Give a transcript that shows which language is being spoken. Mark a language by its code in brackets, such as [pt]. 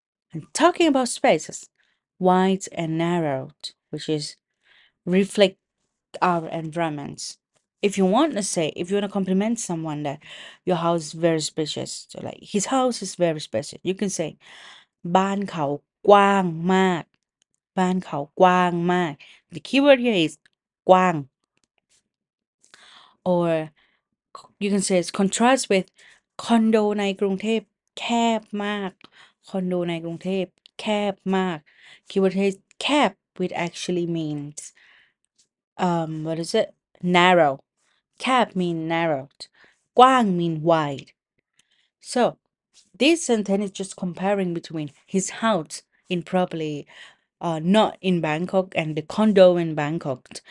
[en] And talking about spaces, wide and narrowed, which is reflect our environments. If you want to say, if you want to compliment someone that your house is very spacious, so like his house is very spacious, you can say, [th] บ้านเขากว้างมาก. [en] The keyword here is กว้าง. Or you can say it's contrast with [th] คอนโดในกรุงเทพแคบมาก. [en] Keyword here is แคบ, which actually means, what is it? Narrow. Cap mean narrowed, guang mean wide. So this sentence is just comparing between his house in probably not in Bangkok and the condo in Bangkok.